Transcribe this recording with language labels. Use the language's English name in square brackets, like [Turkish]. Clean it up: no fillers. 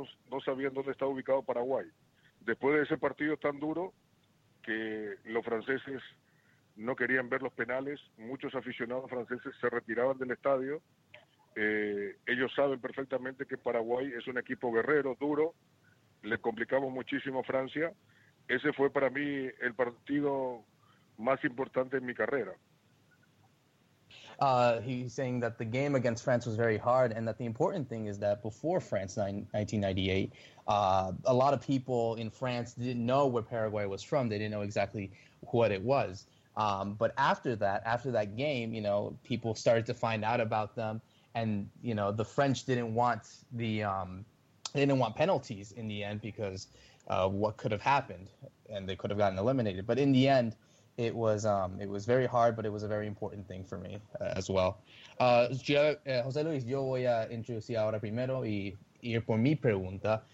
[Spanish] No sabían dónde estaba ubicado Paraguay. Después de ese partido tan duro, que los franceses no querían ver los penales, muchos aficionados franceses se retiraban del estadio. Ellos saben perfectamente que Paraguay es un equipo guerrero, duro. Le complicamos muchísimo a Francia. Ese fue para mí el partido más importante en mi carrera. [English] He's saying that the game against France was very hard, and that the important thing is that before France 1998, a lot of people in France didn't know where Paraguay was from. They didn't know exactly what it was. But after that game, you know, people started to find out about them, and you know, the French didn't want they didn't want penalties in the end, because what could have happened, and they could have gotten eliminated. But in the end, It was very hard, but it was a very important thing for me as well. [Spanish] José Luis, yo voy a introducir ahora primero y ir por mi pregunta.